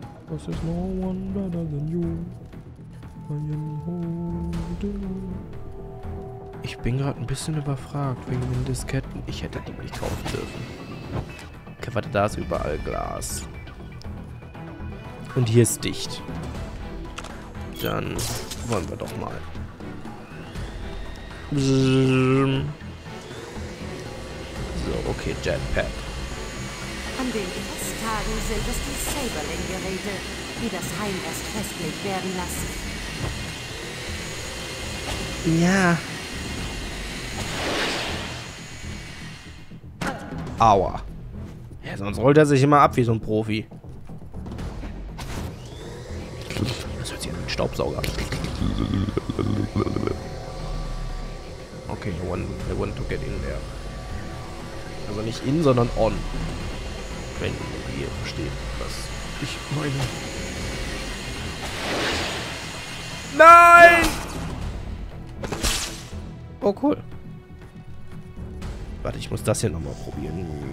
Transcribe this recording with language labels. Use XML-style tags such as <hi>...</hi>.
<en>This is no one better than you. I am holding on.</en> <de>Ich bin gerade ein bisschen überfragt wegen den Disketten. Ich hätte die nicht kaufen dürfen. Okay, warte, da ist überall Glas. Und hier ist dicht. Dann wollen wir doch mal. So, okay, Jetpack. An den Festtagen sind es die Saberling-Geräte, die das Heim erst festlegt werden lassen. Ja. Aua. Ja, sonst rollt er sich immer ab wie so ein Profi. Das hört sich an wie ein Staubsauger.</de> <en>Okay, I want to get in there.</en> <de>Also nicht in, sondern on. Wenn ihr versteht, was ich meine. Nein! Oh, cool. Warte, ich muss das hier nochmal probieren.</de>